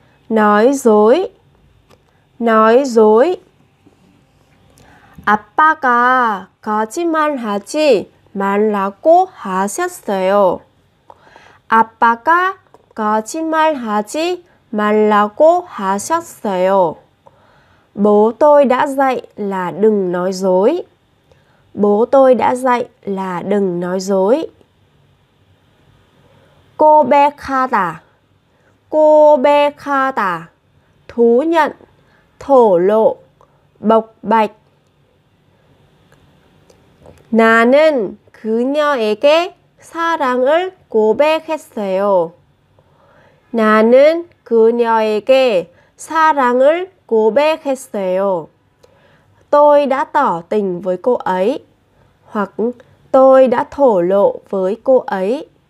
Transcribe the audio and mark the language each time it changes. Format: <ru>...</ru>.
<vi>Nói dối. Nói dối.</vi> <ko>아빠가 거짓말 하지 말라고 하셨어요. 아빠가 거짓말 하지 말라고 하셨어요.</ko> <vi>Bố tôi đã dạy là đừng nói dối. Bố tôi đã dạy là đừng nói dối.</vi> <ko>고백하다. 고백하다.</ko> <vi>Thú nhận, thổ lộ, bộc bạch.</vi> <ko>나는 그녀에게 사랑을 고백했어요. 나는 그녀에게 사랑을 고백했어요.</ko> <vi>Tôi đã tỏ tình với cô ấy. Hoặc tôi đã thổ lộ với cô ấy.</vi>